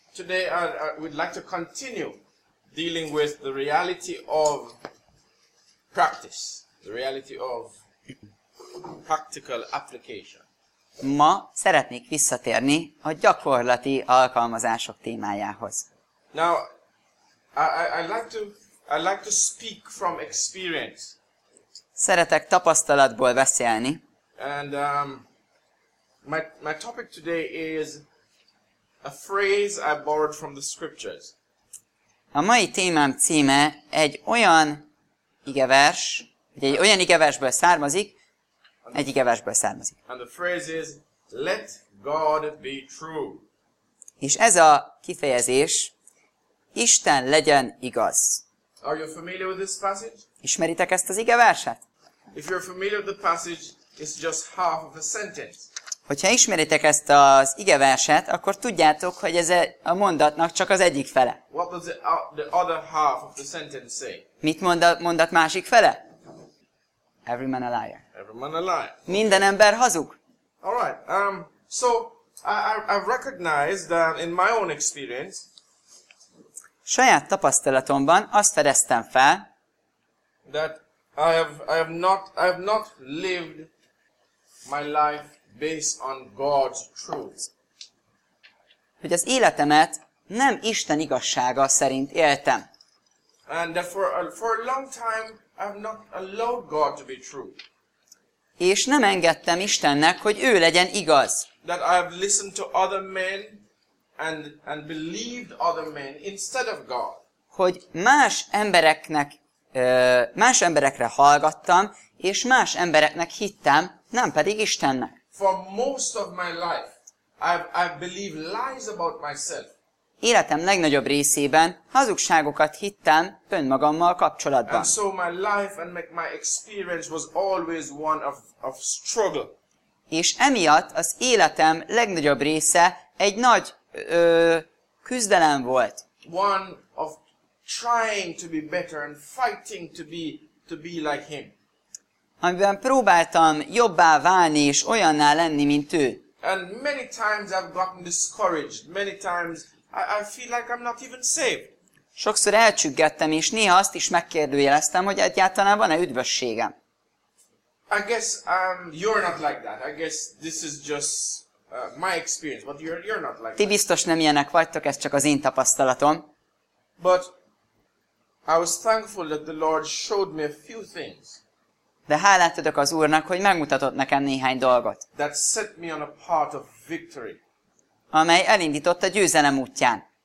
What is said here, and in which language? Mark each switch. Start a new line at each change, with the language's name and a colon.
English: Today, we'd like to continue dealing with the reality of practice, the reality of practical application.
Hungarian: Ma szeretnék visszatérni a gyakorlati alkalmazások témájához.
English: Now, I'd like to speak from experience.
Hungarian: Szeretek tapasztalatból beszélni.
English: And my topic today is a phrase I borrowed from the scriptures.
Hungarian: A mai témám címe egy olyan igevers, vagy egy olyan igeversből származik, egy igeversből származik.
English: And the phrase is, let God be true.
Hungarian: És ez a kifejezés, Isten legyen igaz.
English: Are you familiar with this passage?
Hungarian: Ismeritek ezt az igeverset?
English: If you're familiar with the passage, it's just half of a sentence.
Hungarian: Hogyha ismeritek ezt az igeverset, akkor tudjátok, hogy ez a mondatnak csak az egyik fele.
English: What does the other half of the sentence say?
Hungarian: Mit mond a mondat másik fele?
English: Every man a liar. Every man a liar.
Hungarian: Minden ember hazug.
English: All right. So I've recognized that in my own experience.
Hungarian: Saját tapasztalatomban azt fedeztem fel.
English: That I have not lived my life based on God's truth.
Hungarian: Hogy az életemet nem Isten igazsága szerint éltem.
English: And for a long time I have not allowed God to be true.
Hungarian: És nem engedtem Istennek, hogy ő legyen igaz.
English: That I have listened to other men and believed other men instead of God.
Hungarian: Hogy más embereknek más emberekre hallgattam és más embereknek hittem, nem pedig Istennek.
English: For most of my life I believed lies about myself.
Hungarian: Életem legnagyobb részében hazugságokat hittem önmagammal kapcsolatban.
English: And so my life and my experience was always one of struggle.
Hungarian: És emiatt az életem legnagyobb része egy nagy küzdelem volt.
English: One of trying to be better and fighting to be like him.
Hungarian: Amiben próbáltam jobbá válni és olyanná lenni, mint ő.
English: And many times I've gotten discouraged. Many times I feel like I'm not even saved.
Hungarian: Sokszor elcsüggettem, és néha azt is megkérdőjeleztem, hogy egyáltalán van-e üdvösségem.
English: I guess you're not like that. I guess this is just my experience, but you're not like that.
Hungarian: Ti biztos nem ilyenek vagytok, ez csak az én tapasztalatom.
English: But I was thankful that the Lord showed me a few things.
Hungarian: De hálát adok az Úrnak, hogy megmutatott nekem néhány dolgot.
English: That set me on a path of victory.
Hungarian: Amely elindított a győzelem útján.